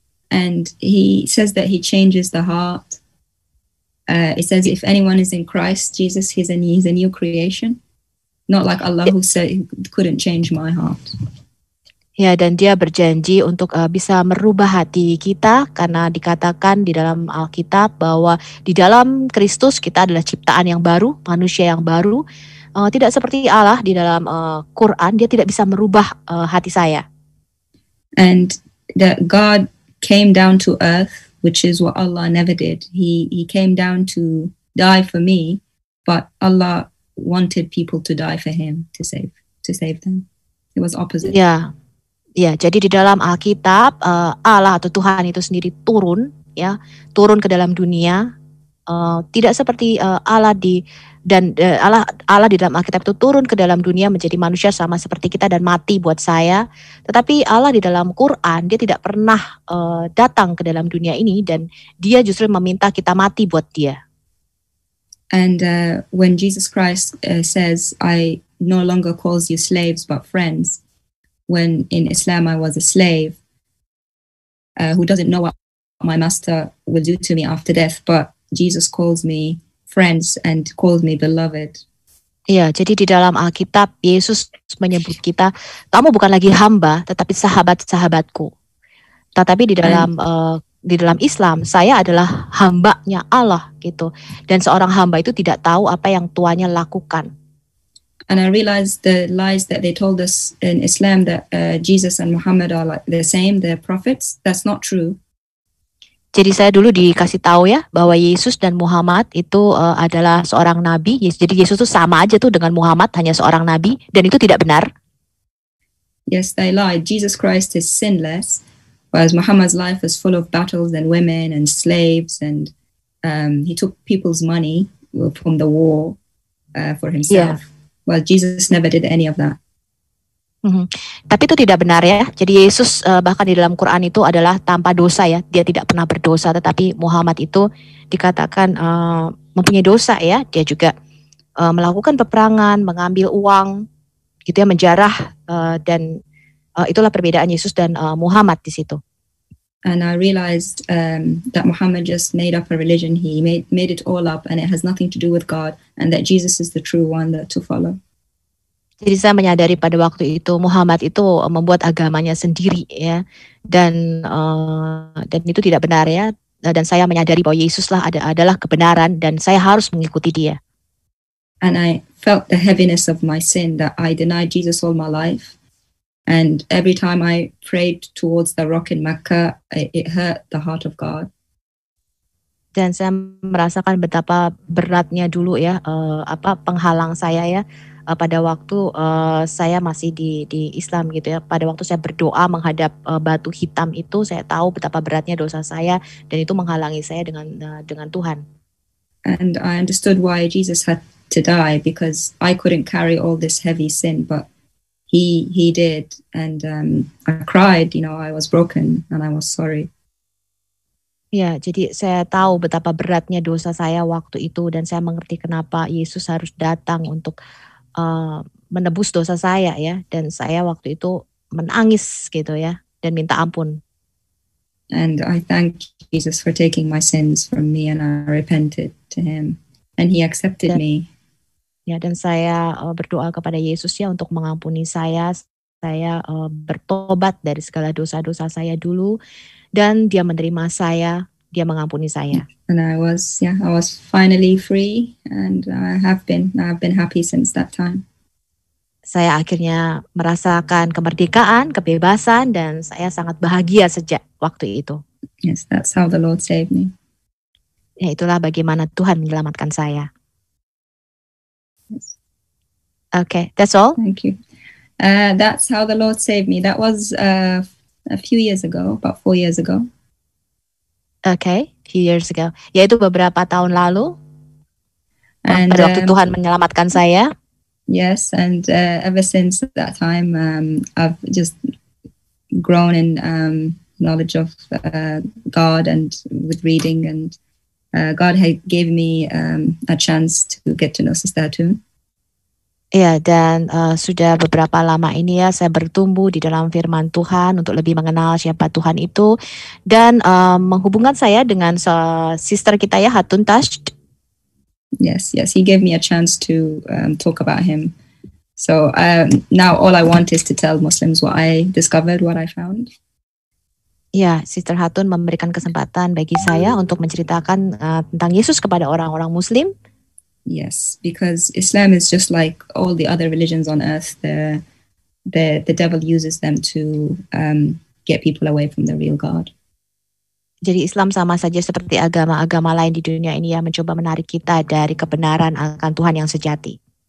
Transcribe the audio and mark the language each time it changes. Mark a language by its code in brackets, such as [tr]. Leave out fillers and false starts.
[en] And He says that He changes the heart. It says if anyone is in Christ Jesus, he's a new creation. Not like Allah who said he couldn't change my heart. [id] Ya, dan dia berjanji untuk bisa merubah hati kita, karena dikatakan di dalam Alkitab bahwa di dalam Kristus kita adalah ciptaan yang baru, manusia yang baru. Tidak seperti Allah di dalam Quran, dia tidak bisa merubah hati saya. [en] And that God came down to earth, which is what Allah never did. He came down to die for me, but Allah wanted people to die for him to save them. It was opposite. Ya. Yeah. [id] Yeah, jadi di dalam Alkitab Allah atau Tuhan itu sendiri turun ya, turun ke dalam dunia tidak seperti Allah di dalam Alkitab itu turun ke dalam dunia menjadi manusia sama seperti kita dan mati buat saya. Tetapi Allah di dalam Quran, dia tidak pernah datang ke dalam dunia ini dan dia justru meminta kita mati buat dia. [en] And when Jesus Christ says, "I no longer calls you slaves but friends," when in Islam I was a slave who doesn't know what my master will do to me after death, but Jesus calls me friends and calls me beloved. [id] Ya, jadi di dalam Alkitab Yesus menyebut kita, kamu bukan lagi hamba, tetapi sahabat-sahabatku. Tetapi di dalam Islam, saya adalah hambanya Allah gitu. Dan seorang hamba itu tidak tahu apa yang tuannya lakukan. [en] And I realized the lies that they told us in Islam that Jesus and Muhammad are like the same, they're prophets. That's not true. [id] Jadi saya dulu dikasih tahu ya bahwa Yesus dan Muhammad itu adalah seorang nabi. Jadi Yesus itu sama aja tuh dengan Muhammad, hanya seorang nabi, dan itu tidak benar. [en] Yes, they lie. Jesus Christ is sinless, whereas Muhammad's life is full of battles and women and slaves and he took people's money from the war for himself. Yeah. Well, Jesus never did any of that. [id] Tapi itu tidak benar ya. Jadi Yesus bahkan di dalam Quran itu adalah tanpa dosa ya. Dia tidak pernah berdosa, tetapi Muhammad itu dikatakan mempunyai dosa ya. Dia juga melakukan peperangan, mengambil uang, gitu ya, menjarah dan itulah perbedaan Yesus dan Muhammad di situ. [en] And I realized that Muhammad just made up a religion. He made it all up, and it has nothing to do with God. And that Jesus is the true one that to follow. [id] Jadi saya menyadari pada waktu itu Muhammad itu membuat agamanya sendiri ya, dan itu tidak benar ya. Dan saya menyadari bahwa Yesuslah adalah kebenaran, dan saya harus mengikuti Dia. [en] And I felt the heaviness of my sin that I denied Jesus all my life. And every time I prayed towards the rock in Mecca, it hurt the heart of God. [id] Dan saya merasakan betapa beratnya dulu ya, penghalang saya ya, pada waktu saya masih di Islam gitu ya. Pada waktu saya berdoa menghadap batu hitam itu, saya tahu betapa beratnya dosa saya, dan itu menghalangi saya dengan Tuhan. [en] And I understood why Jesus had to die, because I couldn't carry all this heavy sin, but He did, and I cried. You know, I was broken, and I was sorry. [id] Ya, jadi saya tahu betapa beratnya dosa saya waktu itu, dan saya mengerti kenapa Yesus harus datang untuk menebus dosa saya ya. Dan saya waktu itu menangis gitu ya, dan minta ampun. [en] And I thank Jesus for taking my sins from me, and I repented to Him, and He accepted me. [id] Ya, dan saya berdoa kepada Yesus ya untuk mengampuni saya. Saya bertobat dari segala dosa-dosa saya dulu, dan Dia menerima saya, Dia mengampuni saya. [en] And I was finally free, and I've been happy since that time. [id] Saya akhirnya merasakan kemerdekaan, kebebasan, dan saya sangat bahagia sejak waktu itu. [en] Yes, that's how the Lord saved me. [id] Ya, itulah bagaimana Tuhan menyelamatkan saya. [en] Okay, that's all. Thank you. That's how the Lord saved me. That was a few years ago, about 4 years ago. Okay, few years ago. [id] Yaitu beberapa tahun lalu. And, pada waktu Tuhan menyelamatkan saya. [en] Yes, and ever since that time, I've just grown in knowledge of God and with reading, and God had gave me a chance to get to know Sister Atun. [id] Ya, dan sudah beberapa lama ini ya saya bertumbuh di dalam firman Tuhan untuk lebih mengenal siapa Tuhan itu, dan menghubungkan saya dengan sister kita ya, Hatun Tash. [en] Yes, he gave me a chance to talk about him. So now all I want is to tell Muslims what I discovered, what I found. [id] Ya, Sister Hatun memberikan kesempatan bagi saya untuk menceritakan tentang Yesus kepada orang-orang Muslim. [en] Yes, because Islam is just like all the other religions on earth. The devil uses them to get people away from the real God. [id] Jadi Islam sama saja seperti agama-agama lain di dunia ini yang mencoba menarik kita dari kebenaran akan Tuhan yang sejati.